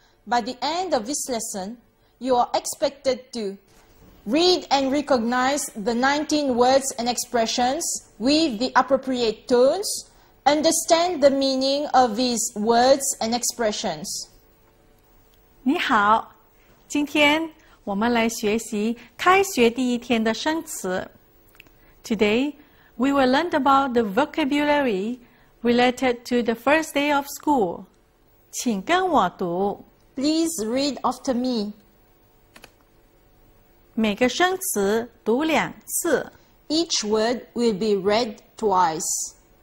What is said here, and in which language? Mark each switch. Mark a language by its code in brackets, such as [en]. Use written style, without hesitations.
[en] By the end of this lesson, you are expected to read and recognize the 19 words and expressions with the appropriate tones, understand the meaning of these words and expressions. [zh] 你好，今天我们来学习开学第一天的生词。 [en] Today, we will learn about the vocabulary related to the first day of school. [zh] 请跟我读。 [en] Please read after me. [zh] 每个生词读两次。 [en] Each word will be read twice.